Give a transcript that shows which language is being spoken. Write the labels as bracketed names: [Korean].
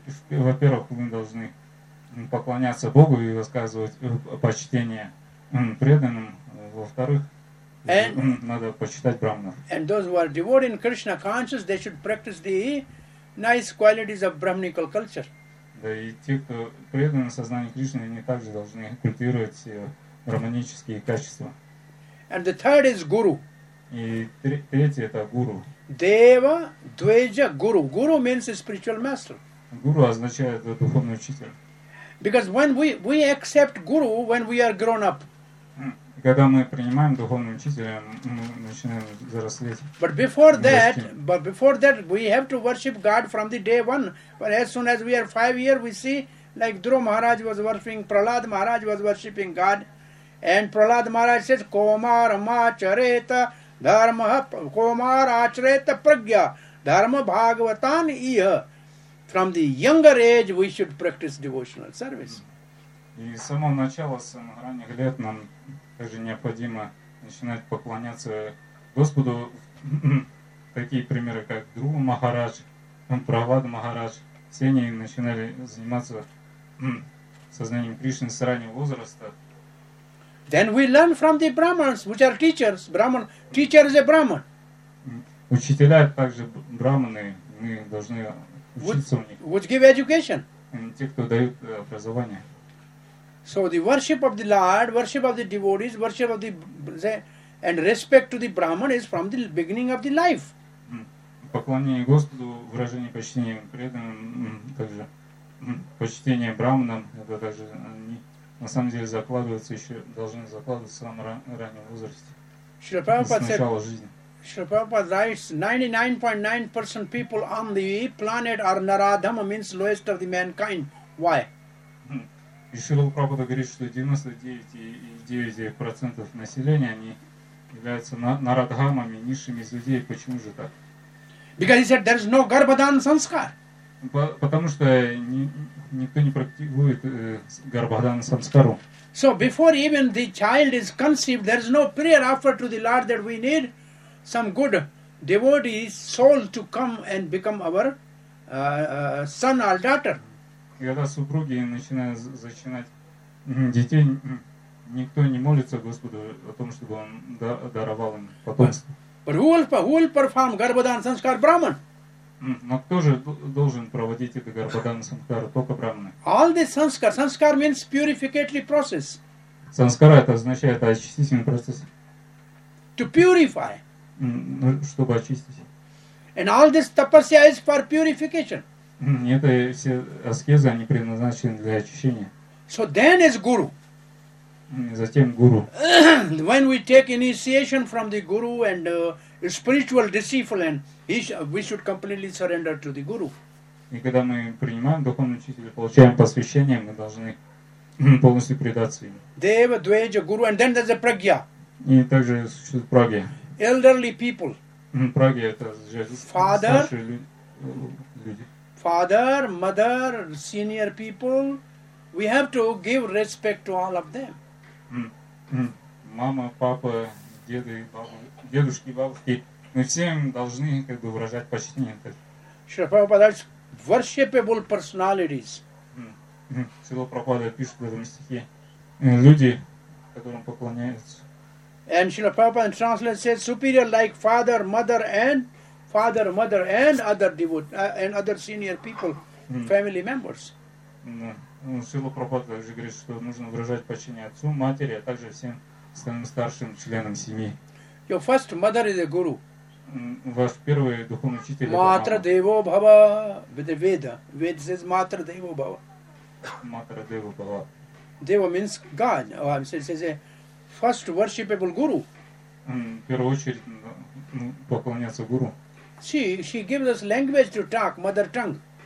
[Russian] Во-первых, мы должны поклоняться Богу и высказывать почтение преданным. Во-вторых, надо почитать брахманов. [English] And those who are devoted in Krishna conscious, they should practice the nice qualities of brahminical culture. [Russian] Да, и те, кто преданы сознанию Кришны, они также должны культивировать брахманические качества. [English] And the third is guru. [Russian] И третий это гуру. [Sanskrit] Дева, дведжа, гуру. [English] Гуру means spiritual master. [Russian] Гуру означает духовный учитель. [English] Because when we accept guru when we are grown up. [Russian] Когда мы принимаем духовного учителя, мы начинаем взрослеть. [English] But before that, we have to worship God from the day one. But as soon as we are 5 years, we see like Dhruva Maharaj was worshiping, Prahlad Maharaj was worshiping God, and Prahlad Maharaj says, [Sanskrit] Komar Macharita Dharma Komar Acharita Pragya Dharma Bhagavatan Iha. [English] From the younger age, we should practice devotional service. [Russian] И с самого начала, с самых ранних лет нам также необходимо начинать поклоняться Господу. Такие примеры, как Дхрува Махарадж, Прахлада Махарадж, все они начинали заниматься сознанием Кришны с раннего возраста. [English] Then we learn from the Brahmans, which are teachers. Brahman, teacher is a Brahman. [Russian] Учителя также Брахманы, мы должны учиться у них. [English] Which give education. [Russian] Те, кто дают образование. [English] So the worship of the Lord, worship of the devotees, worship of the and respect to the Brahman is from the beginning of the life. [Russian] Поклонение Господу, выражение почтения преданным, также почтение Брахманам, это также они на самом деле закладываются еще, должны закладываться в самом раннем возрасте. [English] Шрила Прабхупада writes, 99.9% people on the planet are Naradhama, means lowest of the mankind. Why? [Russian] И Шрила Прабхупада говорит, что 99.9% населения они являются нарадхамами, низшими из людей. Почему же так? [English] Because he said there is no garbhadhan sanskar. [Russian] Потому что никто не практикует garbhadhan sanskaru. [English] So before even the child is conceived, there is no prayer offered to the Lord that we need some good devotee soul to come and become our son or daughter. [Russian] Когда супруги начинают зачинать детей, никто не молится Господу о том, чтобы Он даровал им потомство. [English] But who will perform garbhadhan sanskar? Brahman. [Russian] Но кто же должен проводить это garbhadhan sanskar? Только брахманы. [English] All the sanskar. Sanskar means purificatory process. [Russian] Sanskara это означает очистительный процесс. [English] To purify. [Russian] Чтобы очистить. [English] And all this tapasya is for purification. [Russian] Это все аскезы, они предназначены для очищения. [English] So then is guru. [Russian] Затем guru. [English] When we take initiation from the guru and spiritual disciple, and we should completely surrender to the guru. [Russian] И когда мы принимаем духовного учителя, получаем посвящение, мы должны полностью предаться ему. [English] Deva, dveja, guru, and then there's a pragya. [Russian] И также существует прагья. [English] Elderly people. [Russian] Прагья это же старшие люди. [English] Father, mother, senior people, we have to give respect to all of them. [Russian] Мама, папа, деды, дедушки, бабушки, мы всем должны как бы выражать почтение. Шрила Прабхупада говорит, [English] worshipable personalities. [Russian] Шрила Прабхупада пишет в этом стихе, люди, которым поклоняются. [English] And Шрила Прабхупада translates says, superior like father, mother and father, mother, and other devotees, and other senior people, family members. [Russian] Шрила Прабхупада также говорит, что нужно выражать почтение отцу, матери, а также всем остальным старшим членам семьи. Your first mother is a guru. Ваш первый духовный учитель. [Sanskrit] Матра Дево Бхава. Веда. Веда says Матра Дево Бхава. Матра Дево Бхава. [English] Дево means God. Oh, I'm saying, says a first worshipable guru. [Russian] В первую очередь поклоняться гуру. [English] She gives us language to talk, mother tongue.